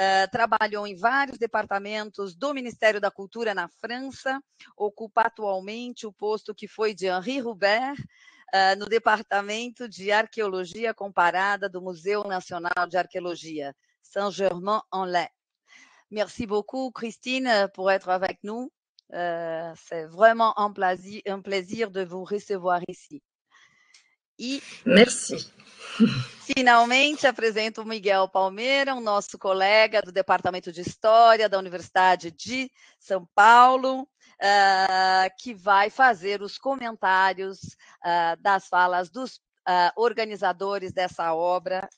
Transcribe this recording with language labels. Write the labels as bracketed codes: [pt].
[pt] Trabalhou em vários departamentos do Ministério da Cultura na França. Ocupa atualmente o posto que foi de Henri Roubert, no Departamento de Arqueologia Comparada do Museu Nacional de Arqueologia, Saint-Germain-en-Laye. [fr] Merci beaucoup, Christine, por être avec nous. C'est vraiment un plaisir de vous recevoir ici. [pt] E, [fr] Merci. [pt] finalmente, apresento o Miguel Palmeira, o nosso colega do Departamento de História da Universidade de São Paulo, que vai fazer os comentários das falas dos organizadores dessa obra.